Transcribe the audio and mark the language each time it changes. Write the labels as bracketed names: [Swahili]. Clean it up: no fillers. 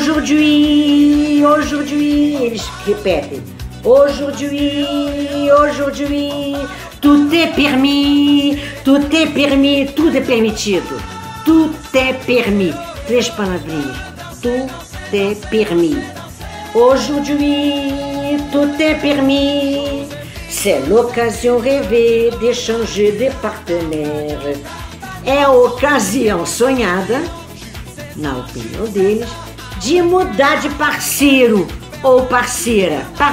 [Portuguese] Aujourd'hui, eles repetem. [French] Aujourd'hui, tout est permis, [Portuguese] tudo é permitido. [French] Tout est permis, [Portuguese] três palavrinhas. [French] Tout est permis. Aujourd'hui, tout est permis. C'est l'occasion rêvée de changer de partenaire. [Portuguese] É a ocasião sonhada, na opinião deles, de mudar de parceiro ou parceira.